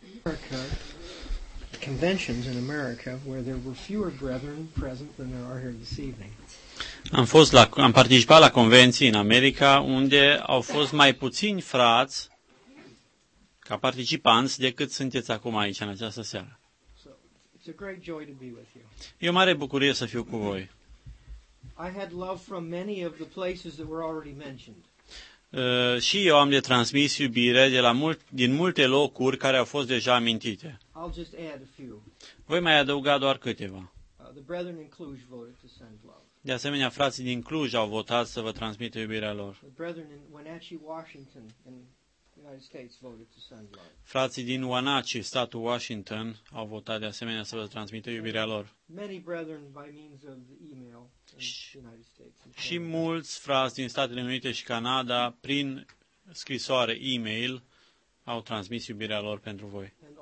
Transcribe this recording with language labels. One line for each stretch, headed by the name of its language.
English: America, conventions in America where there were fewer brethren present than there are here this evening.
Romanian: Am participat la convenții în America unde au fost mai puțini frați ca participanți decât sunteți acum aici în această seară.
English: So, it's a great joy to be with you.
Romanian: E o mare bucurie să fiu cu voi.
English: I had love from many of the places that were already mentioned.
Romanian: Și eu am de transmis iubire de la din multe locuri care au fost deja amintite.
English: I'll just add a few.
Romanian: Voi mai adăuga doar câteva.
English: The brethren in Cluj voted to send love.
Romanian: De asemenea, frații din Cluj au votat să vă transmită iubirea lor.
English: The brethren in Wenatchee, Washington, in the United States voted to send love.
Romanian: Frații din Wenatchee, statul Washington, au votat de asemenea să vă transmită iubirea lor.
English: Many brethren by means of the email.
Romanian: Și mulți frați din Statele Unite și Canada, prin scrisoare e-mail, au transmis iubirea lor pentru voi.